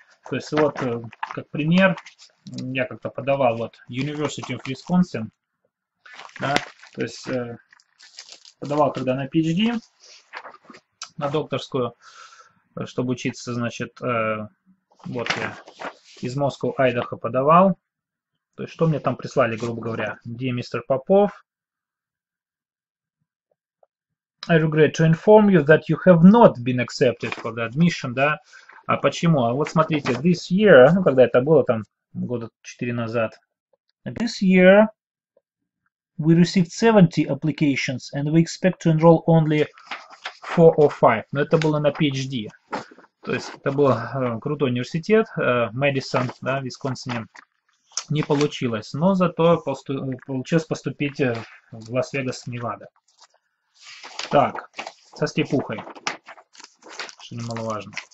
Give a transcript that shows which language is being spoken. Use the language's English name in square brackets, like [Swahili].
[Russian] То есть вот, как пример, я как-то подавал вот University of Wisconsin, да, то есть подавал тогда на PhD, на докторскую, чтобы учиться, значит, вот я из Москвы, Айдахо подавал. То есть, что мне там прислали, грубо говоря? [English] Dear Mr. Popov, I regret to inform you that you have not been accepted for the admission, да? [Russian] А почему? А вот смотрите, [English] this year, [Russian] ну, когда это было, там, года 4 назад. [English] This year we received 70 applications and we expect to enroll only 4 or 5. [Russian] Но это было на PhD. То есть это был крутой университет, Мэдисон, да, в Висконсине. Не получилось, но зато получилось поступить в Лас-Вегас, Невада. Так, со степухой, что немаловажно.